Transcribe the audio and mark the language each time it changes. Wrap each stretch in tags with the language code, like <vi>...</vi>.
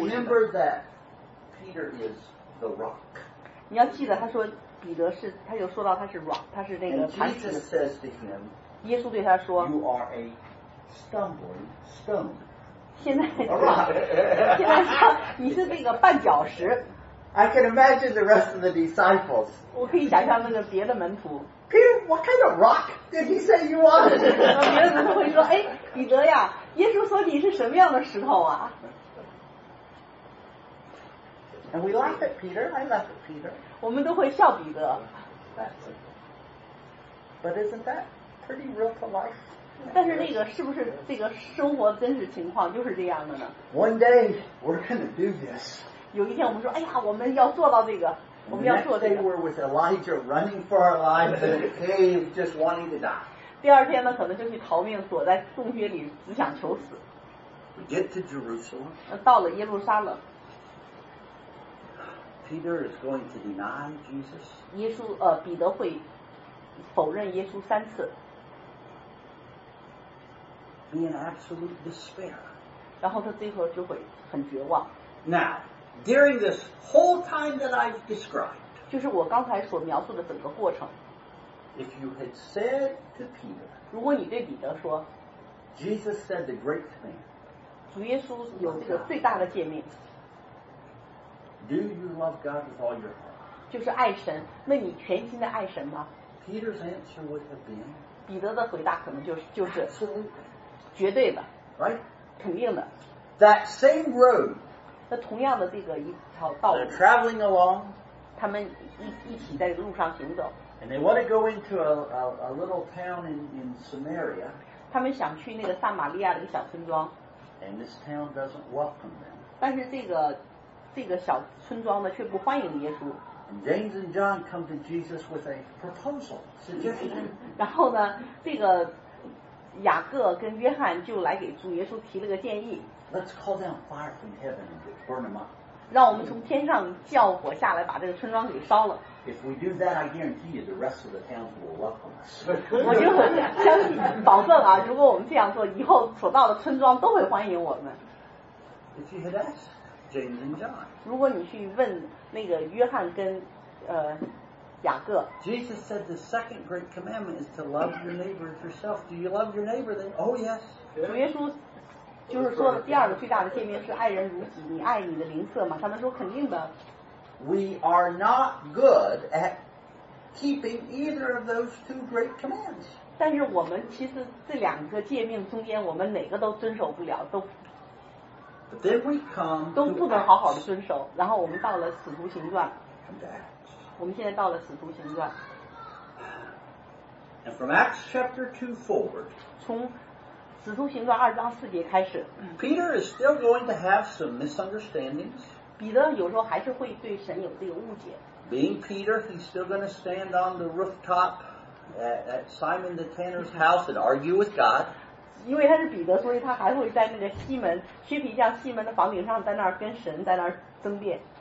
<en>Because remember that Peter is the rock.</en> <zh>你要记得他说彼得是，他又说到他是 rock， 他是那个磐石。</zh> <en>And Jesus says to him.</en> <zh>耶稣对他说。</zh> <en>You are a stumbling stone.</en> <zh>现在现在说你是那个绊脚石。</zh> <en>I can imagine the rest of the disciples.</en> <zh>我可以想象那个别的门徒。</zh> <en>Peter, what kind of rock did he say you are?</en> <zh>别的门徒会说，哎，彼得呀，耶稣说你是什么样的石头啊？</zh> <en>And we laugh at Peter. I laugh at Peter.</en> <zh>我们都会笑彼得。</zh> <en>But isn't that pretty real to life?</en> <zh>但是那个是不是这个生活真实情况就是这样的呢？</zh> <en>One day we're going to do this.</en> <zh>有一天我们说，哎呀，我们要做到这个，我们要做这个。</zh> <en>We're with Elijah running for our lives in a cave, just wanting to die.</en> <zh>第二天呢，可能就去逃命，躲在洞穴里，只想求死。</zh> <en>We get to Jerusalem.</en> <zh>到了耶路撒冷。</zh> <en>Peter is going to deny Jesus.</en> <zh>耶稣，彼得会否认耶稣三次。</zh> <en>Be in absolute despair.</en> <zh>然后他最后就会很绝望。</zh> <en>Now. During this whole time that I've described,</en> <zh>就是我刚才所描述的整个过程。</zh> <en>If you had said to Peter,</en> <zh>如果你对彼得说</zh> <en>，Jesus said the great thing,</en> <zh>主耶稣有这个最大的诫命。</zh> <en>Do you love God with all your heart?</en> <zh>就是爱神，那你全心的爱神吗</zh> <en>？Peter's answer would have been,</en> <zh>彼得的回答可能就是</zh> <en>absolutely,</en> <zh>绝对的</zh> <en>，right,</en> <zh>肯定的。</zh> <en>That same road.</en> <zh>那同样的这个一条道路</zh> <en>They're traveling along,</en> <zh>他们 一起在路上行走</zh> <en>and they want to go into a little town in Samaria</en> <zh>他们想去那个撒玛利亚的一个小村庄</zh> <en>and this town doesn't welcome them</en> <zh>但是这个小村庄呢却不欢迎耶稣</zh> <en>and James and John come to Jesus with a proposal suggestion</en> <zh>然后呢这个雅各跟约翰就来给主耶稣提了个建议</zh> <en>Let's call down fire from heaven and burn them up.</en> <zh>让我们从天上叫火下来，把这个村庄给烧了。</zh> <en>If we do that, I guarantee you the rest of the towns will welcome us.</en> <zh>我就很相信，保证啊，如果我们这样做，以后所到的村庄都会欢迎我们。</zh> <en>If you had asked James and John,</en> <zh>如果你去问那个约翰跟雅各</zh> <en>，Jesus said the second great commandment is to love your neighbor as yourself. Do you love your neighbor? Then, oh yes.</en> <zh>主耶稣。就是说第二个最大的诫命是爱人如己你爱你的邻舍吗他们说肯定的</zh> <en>We are not good at keeping either of those two great commands</en> <zh>但是我们其实这两个诫命中间我们哪个都遵守不了都</zh> <en>But then we come</en> <zh>都不能好好的遵守然后我们到了使徒行传 我们现在到了使徒行传</zh> <en>And from Acts chapter 2 forward</en> <zh>从使徒行传二章四节开始</zh> <en>Peter is still going to have some misunderstandings</en> <zh>彼得有时候还是会对神有这个误解</zh> <en>Being Peter he's still going to stand on the rooftop at Simon the Tanner's house and argue with God</en> <zh>因为他是彼得所以他还会在那个西门薛皮匠西门的房顶上在那儿跟神在那儿争辩</zh>